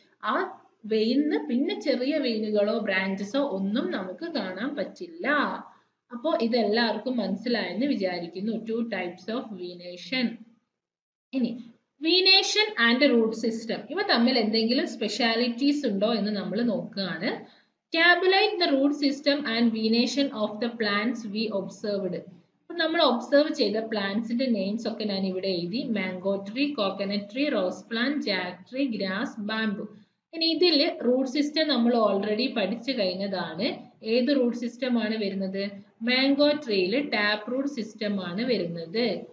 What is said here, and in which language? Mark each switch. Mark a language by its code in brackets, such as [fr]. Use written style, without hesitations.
[ml] ആ വെയിന്ന് പിന്നെ ചെറിയ വെയിനുകളോ ബ്രാഞ്ചസോ ഒന്നും നമുക്ക് കാണാൻ പറ്റില്ല. അപ്പോ ഇതെല്ലാവർക്കും മനസ്സിലായെന്ന് വിചാരിക്കുന്നു. [en] Two types of venation. [ml] ഇനി വീനേഷൻ ആൻഡ് റൂട്ട് സിസ്റ്റം, ഇവ തമ്മിൽ എന്തെങ്കിലും സ്പെഷ്യാലിറ്റീസ് ഉണ്ടോ എന്ന് നമ്മൾ നോക്കുകയാണ്. [en] Tabulate the root system and venation of the plants we observed. [ml] നമ്മൾ ഒബ്സർവ് ചെയ്ത പ്ലാന്റ്സിന്റെ നെയിംസ് ഒക്കെ ഞാൻ ഇവിടെ എഴുതി. [en] Mango tree, coconut tree, rose plant, jack tree, grass, bamboo. [ml] ഇനി ഇതിൽ റൂട്ട് സിസ്റ്റം നമ്മൾ ഓൾറെഡി പഠിച്ചു കഴിഞ്ഞതാണ്. ഏത് റൂട്ട് സിസ്റ്റം ആണ് വരുന്നത്? മാംഗോ ട്രീയിൽ ടാപ്പ് റൂട്ട് സിസ്റ്റം ആണ് വരുന്നത്.